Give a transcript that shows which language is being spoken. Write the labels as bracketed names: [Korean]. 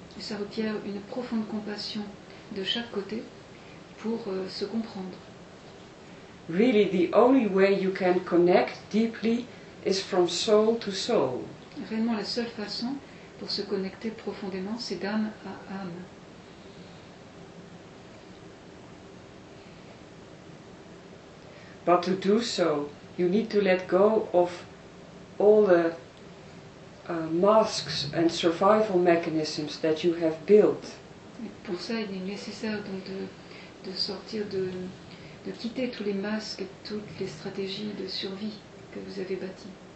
[French] Et ça requiert une profonde compassion de chaque côté pour se comprendre. [English] Really, the only way you can connect deeply is from soul to soul. [French] Réellement, la seule façon pour se connecter profondément, c'est d'âme à âme. [English] But to do so, you need to let go of all the masks and survival mechanisms that you have built. [French] Et pour ça, il est nécessaire donc de quitter tous les masques et toutes les stratégies de survie que vous avez bâties.